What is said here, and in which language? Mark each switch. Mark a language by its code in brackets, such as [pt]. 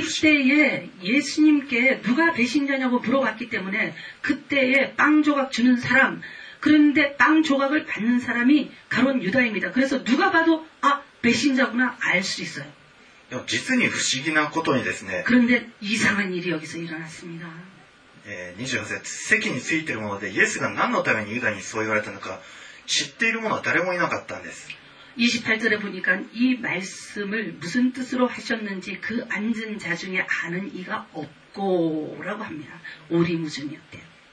[ko] 不思議。이때에예수님께누가배신자냐고물어봤기때문에그때에빵조각주는사람그런데빵조각을받는사람이가론유다입니다그래서누가봐도아배신자구나알수있어요 [ja] でも実に不思議なことにですね [ko] 그런데이상한일이여기서일어났습니다 [ja] 24節席についているものでイエスが何のためにユダにそう言われたのか知っている者は誰もいなかったんです [ko] 28절에보니까이말씀을무슨뜻으로하셨는지그앉은자중에아는이가없고라고합니다오리무중이었대요